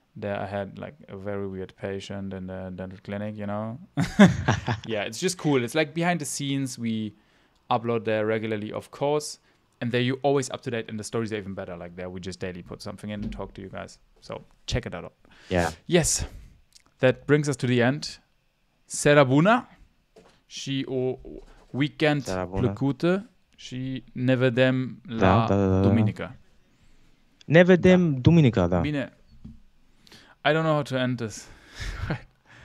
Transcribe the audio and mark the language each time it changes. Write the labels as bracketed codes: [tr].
[en] There I had like a very weird patient in the dental clinic, you know? it's just cool. It's like behind the scenes, we upload there regularly, of course, and there you're always up to date, and the stories are even better. Like there, we just daily put something in and talk to you guys. So check it out. Yes, that brings us to the end. [ro] Sera buna, și o weekend plăcută, și ne vedem la duminică. Ne vedem duminică, [en] Bine. I don't know how to end this.